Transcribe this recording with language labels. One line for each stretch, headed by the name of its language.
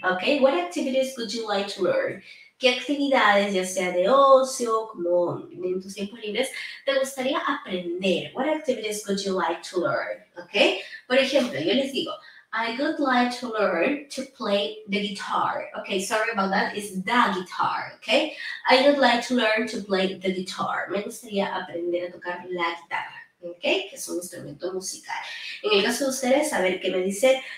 English: Ok, what activities would you like to learn?
Spanish: ¿Qué actividades, ya sea de ocio, como en tus tiempos libres, te gustaría aprender?
English: What activities would you like to learn? ¿Ok?
Spanish: Por ejemplo, yo les digo,
English: I would like to learn to play the guitar. Ok, sorry about that, it's the guitar, ¿ok? I would like to learn to play the guitar.
Spanish: Me gustaría aprender a tocar la guitarra, ¿ok? Que es un instrumento musical. En el caso de ustedes, a ver qué me dice.